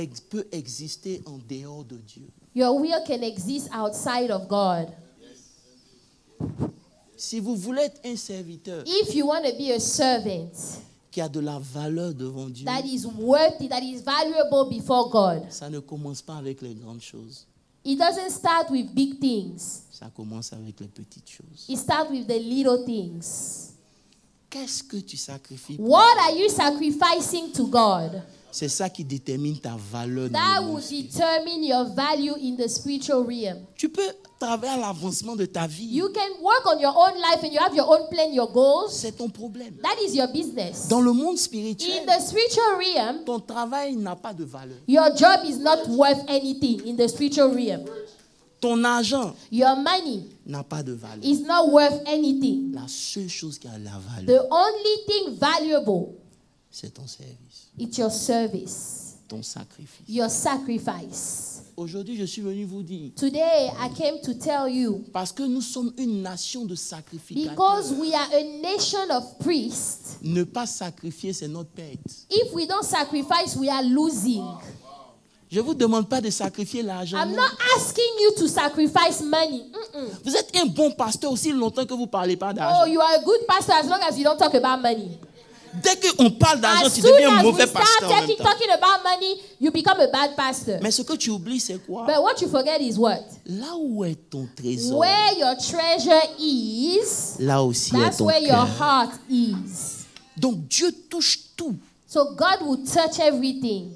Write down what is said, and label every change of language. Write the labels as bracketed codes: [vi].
[fr] peut exister en dehors de Dieu. [en] Your will can exist outside of God. [fr] Si vous voulez être un serviteur, [en] if you want to be a servant, [fr] qui a de la valeur devant Dieu, [en] that is worthy, that is valuable before God. [fr] Ça ne commence pas avec les grandes choses. [en] It doesn't start with big things. [fr] Ça commence avec les petites choses. [en] It starts with the little things. [fr] Qu'est-ce que tu sacrifies? [en] What are you sacrificing to God? [fr] C'est ça qui détermine ta valeur. [en] That will determine your value in the spiritual realm. [fr] Tu peux travailler à l'avancement de ta vie. [en] You can work on your own life and you have your own plan, your goals. [fr] C'est ton problème. [en] That is your business. [fr] Dans le monde spirituel, [en] in the spiritual realm, [fr] ton travail n'a pas de valeur. [en] Your job is not worth anything in the spiritual realm. [fr] Ton argent, [en] your money, [fr] n'a pas de valeur. [en] Is not worth anything. [fr] La seule chose qui a la valeur, [en] the only thing valuable, [fr] c'est ton service. [en] It's your service. [fr] ton sacrifice. [en] Your sacrifice. [fr] Aujourd'hui, je suis venu vous dire. [en] Today, I came to tell you. [fr] Parce que nous sommes une nation de sacrificateurs. [en] Because we are a nation of priests. [fr] Ne pas sacrifier, c'est notre perte. [en] If we don't sacrifice, we are losing. [fr] Je vous demande pas de sacrifier l'argent. [en] I'm not asking you to sacrifice money. Mm-mm. [fr] Vous êtes un bon pasteur aussi longtemps que vous parlez pas d'argent. [en] Oh, you are a good pastor as long as you don't talk about money. [fr] Dès que on parle d'argent, tu deviens un mauvais pasteur. [en] As soon as you start talking about money, you become a bad pastor. [fr] Mais ce que tu oublies, c'est quoi? [en] But what you forget is what? [fr] Là où est ton trésor? [en] Where your treasure is. [fr] Là aussi est ton cœur. [en] That's where your heart is. [fr] Donc Dieu touche tout. [en] So God will touch everything.